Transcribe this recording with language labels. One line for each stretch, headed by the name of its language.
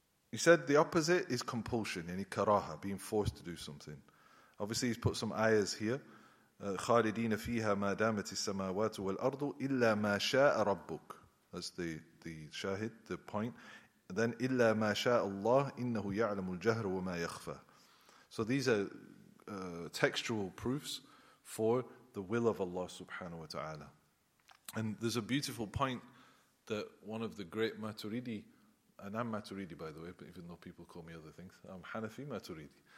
English: He said the opposite is compulsion, yani karaha, being forced to do something. Obviously, he's put some ayahs here.
Arabic: خَالِدِينَ فِيهَا مَا دَامَتِ السَّمَاوَاتُ وَالْأَرْضُ إِلَّا مَا شَاءَ رَبُّكَ.
English: That's the shahid, the point.
Arabic: Then, إِلَّا مَا شَاءَ اللَّهُ إِنَّهُ يَعْلَمُ الْجَهْرُ وَمَا يَخْفَى.
English: So these are textual proofs for the will of Allah subhanahu wa ta'ala. And there's a beautiful point that one of the great Maturidi, and I'm Maturidi by the way, but even though people call me other things, I'm Hanafi Maturidi.